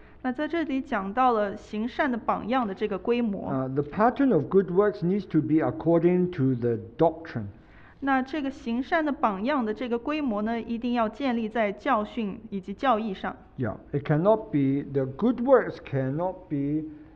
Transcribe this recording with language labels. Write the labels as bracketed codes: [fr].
[zh] 那在这里讲到了行善的榜样的这个规模。 [en] The pattern of good works needs to be according to the doctrine. [zh] 那这个行善的榜样的这个规模呢，一定要建立在教训以及教义上。 [en] Yeah, it cannot be the good works cannot be.